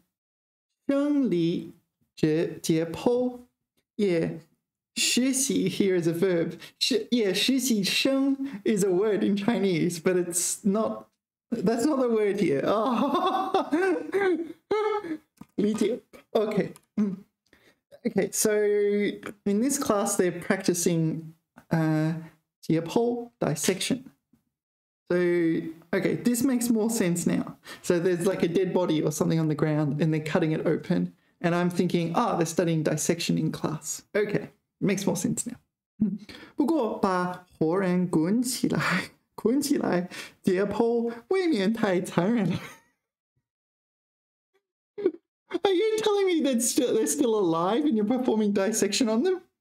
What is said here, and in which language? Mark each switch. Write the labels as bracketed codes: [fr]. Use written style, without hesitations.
[zh] 这里大概是学习生理解剖. [en] Yeah, 实习 here is a verb. Yeah, 实习生 is a word in Chinese, but it's not, that's not the word here. Oh. 理解.Okay. Okay, so in this class, they're practicing 解剖, dissection. So, okay, this makes more sense now. So there's like a dead body or something on the ground and they're cutting it open. And I'm thinking, ah, oh, they're studying dissection in class. Okay, makes more sense now. [zh] 不过把活人滚起来,滚起来,解剖未免太残忍了。 [en] Are you telling me that they're still alive and you're performing dissection on them?